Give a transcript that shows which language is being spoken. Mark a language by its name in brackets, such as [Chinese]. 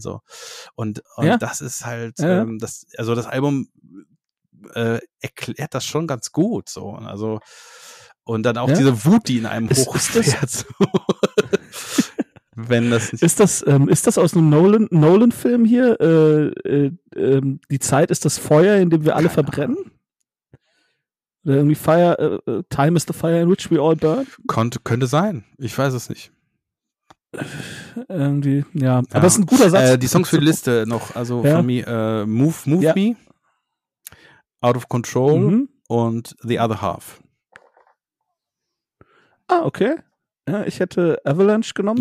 [German] So. Und ja. Das ist halt, ja. Das, also das Album erklärt das schon ganz gut. So. Also, und dann auch ja. Diese Wut, die in einem hochfährt. So. Wenn das nicht ist das aus einem Nolan-Film hier? Die Zeit ist das Feuer, in dem wir alle verbrennen? Oder irgendwie [English] Fire, Time is the Fire in which we all burn? [German] Könnte sein. Ich weiß es nicht. Irgendwie, ja. Aber es ist ein guter Satz. Die Songs für die Liste noch, also ja. Von mir, Move ja. Me, Out of Control mhm. und The Other Half. Ah, okay. Ja, ich hätte Avalanche genommen.